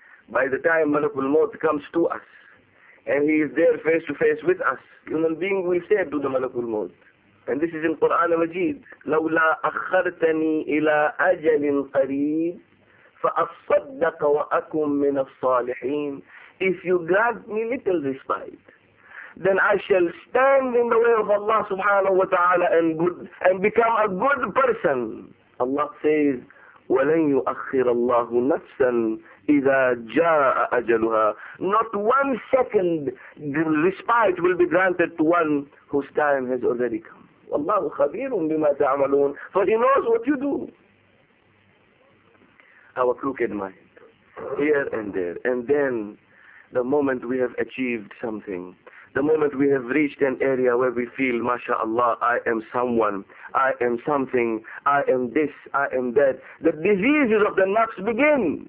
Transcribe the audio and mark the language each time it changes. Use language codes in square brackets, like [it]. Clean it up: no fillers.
[en] By the time Malakul Maut comes to us, and he is there face to face with us, human being will say to the Malakul Maut, and this is in Quran al-Majid, [ar] لَوْلَا أَخَّرْتَنِي إِلَىٰ أَجَلٍ قَرِيبٍ فَأَصَّدَّقَ وَأَكُمْ مِنَ الصَّالِحِينَ. [en] If you grant me little respite, then I shall stand in the way of Allah subhanahu wa ta'ala and become a good person. [ar] Allah says, وَلَنْ يُؤَخِّرَ اللَّهُ نَفْسًا إِذَا جَاءَ أَجَلُهَا. [en] Not one second the respite will be granted to one whose time has already come. [ar] وَاللَّهُ خَبِيرٌ بِمَا تَعْمَلُونَ. [en] For He knows what you do. Our crooked mind, here and there. And then, the moment we have achieved something, the moment we have reached an area where we feel, MashaAllah, I am someone, I am something, I am this, I am that, the diseases of the nafs begin.